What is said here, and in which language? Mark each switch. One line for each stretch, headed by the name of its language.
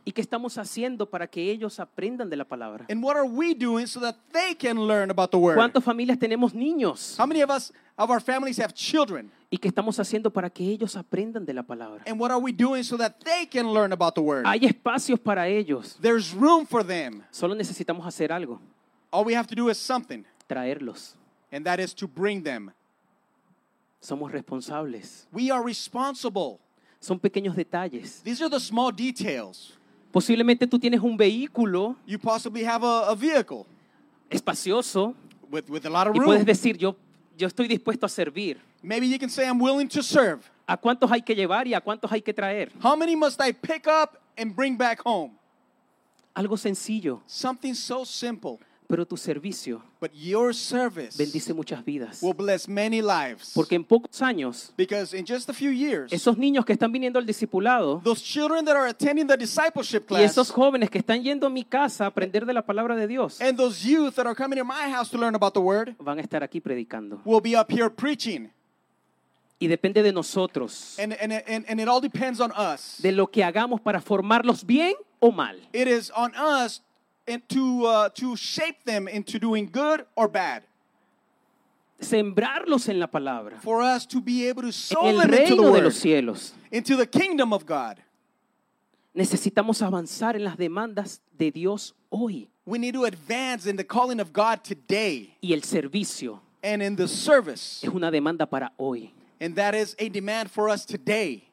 Spanish: ¿Y qué estamos haciendo para que ellos aprendan de la palabra?
English: And what are we doing so that they can learn about the word?
Spanish: ¿Cuántas familias tenemos niños?
English: How many of our families have children?
Spanish: ¿Y qué estamos haciendo para que ellos aprendan de la palabra?
English: And what are we doing so that they can learn about the word?
Spanish: Hay espacios para ellos.
English: There's room for them.
Spanish: Solo necesitamos hacer algo.
English: All we have to do is something.
Spanish: Traerlos.
English: And that is to bring them.
Spanish: Somos responsables.
English: We are responsible.
Spanish: Son pequeños detalles.
English: These are the small details.
Spanish: Posiblemente tú tienes un vehículo.
English: You possibly have a vehicle.
Spanish: Espacioso.
English: With a lot of room.
Spanish: Y puedes decir, yo estoy dispuesto a servir.
English: Maybe you can say, I'm willing to serve.
Spanish: ¿A cuántos hay que llevar y a cuántos hay que traer?
English: How many must I pick up and bring back home?
Spanish: Algo sencillo.
English: Something so simple.
Spanish: Pero tu servicio,
English: but your service,
Spanish: bendice muchas vidas,
English: will bless many lives.
Spanish: Porque en pocos años,
English: because in just a few years,
Spanish: esos niños que están viniendo al discipulado,
English: those children that are attending the discipleship class,
Spanish: y esos jóvenes que están yendo a mi casa a aprender de la palabra de Dios,
English: and those youth that are coming to my house to learn about the word,
Spanish: van a estar aquí predicando,
English: will be up here preaching.
Spanish: Y depende de nosotros,
English: and it all depends on us,
Spanish: de lo que hagamos para formarlos bien o mal.
English: It is on us. And to shape them into doing good or bad.
Spanish: Sembrarlos en la palabra.
English: For us to be able to sow them
Spanish: reino
English: into the
Spanish: de
English: word.
Spanish: Los cielos.
English: Into the kingdom of God.
Spanish: Necesitamos avanzar en las demandas de Dios hoy.
English: We need to advance in the calling of God today.
Spanish: Y el servicio.
English: And in the service.
Spanish: Es una demanda para hoy.
English: And that is a demand for us today.